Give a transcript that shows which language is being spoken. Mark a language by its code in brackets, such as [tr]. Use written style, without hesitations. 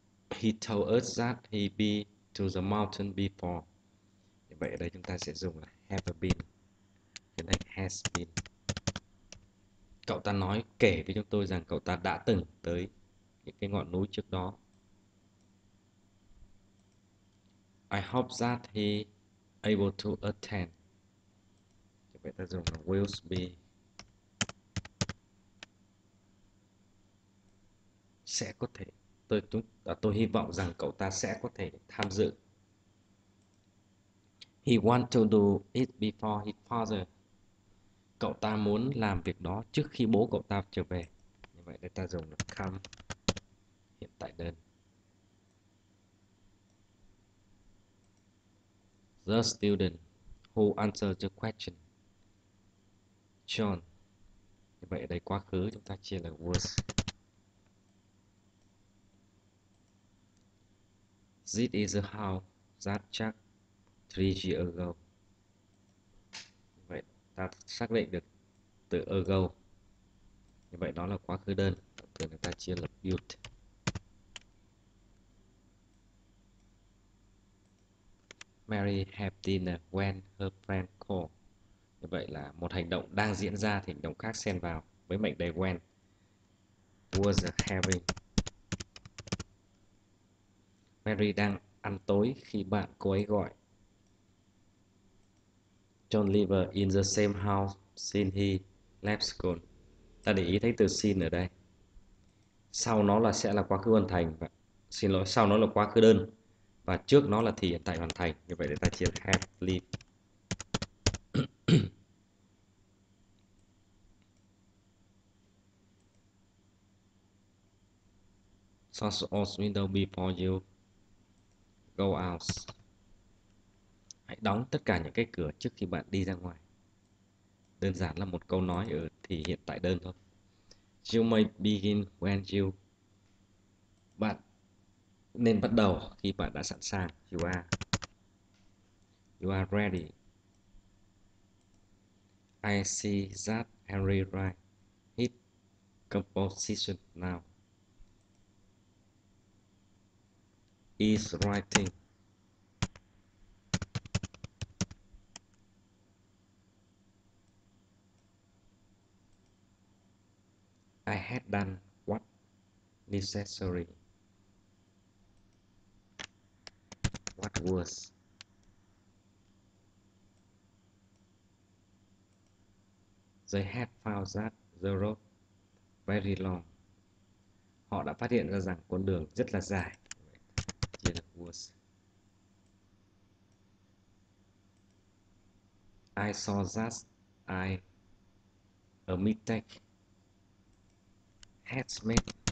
[en] He told us that he'd be to the mountain before. [vi] Vậy ở đây chúng ta sẽ dùng là have been. Cái này has been. Cậu ta nói kể với chúng tôi rằng cậu ta đã từng tới những cái ngọn núi trước đó. [en] I hope that he able to attend. [vi] Vậy ta dùng là [en] will be. [vi] Sẽ có thể. Tôi hy vọng rằng cậu ta sẽ có thể tham dự. [en] He want to do it before his father. [vi] Cậu ta muốn làm việc đó trước khi bố cậu ta trở về. Như vậy đây ta dùng là come, hiện tại đơn. [en] The student who answered the question. John. [vi] Như vậy ở đây quá khứ chúng ta chia là was. [en] This is the house that Jack 3 years ago. [vi] Vậy ta xác định được từ ago. Như vậy đó là quá khứ đơn. Động từ người ta chia là built. [en] Mary have dinner when her friend called. [vi] Như vậy là một hành động đang diễn ra thì hành động khác xen vào với mệnh đề when. [en] Was having. [vi] Mary đang ăn tối khi bạn cô ấy gọi. [en] John live in the same house since he left school. [vi] Ta để ý thấy từ since ở đây. Sau nó là sẽ là quá khứ hoàn thành. Và, xin lỗi, sau nó là quá khứ đơn. Và trước nó là thì hiện tại hoàn thành. Như vậy để ta chia have live. [en] Window before you go out. [vi] Hãy đóng tất cả những cái cửa trước khi bạn đi ra ngoài. Đơn giản là một câu nói ở thì hiện tại đơn thôi. [en] You may begin when you. [vi] Bạn nên bắt đầu khi bạn đã sẵn sàng. [en] You are ready. I see that Henry write his composition now. Is writing. I had done what necessary. What was. They had found that the road very long. [vi] Họ đã phát hiện ra rằng con đường rất là dài. Chia là was. [en] I saw that I a mistake. Headsmith.